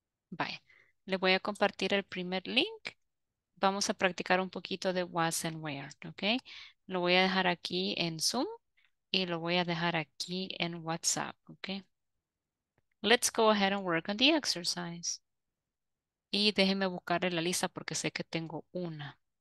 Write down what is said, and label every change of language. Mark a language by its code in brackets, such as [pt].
[es] Vaya, le voy a compartir el primer link. Vamos a practicar un poquito de was and where, ¿ok? Lo voy a dejar aquí en Zoom y lo voy a dejar aquí en WhatsApp, ¿ok? [en] Let's go ahead and work on the exercise. [es] Y déjenme buscarle la lista porque sé que tengo una.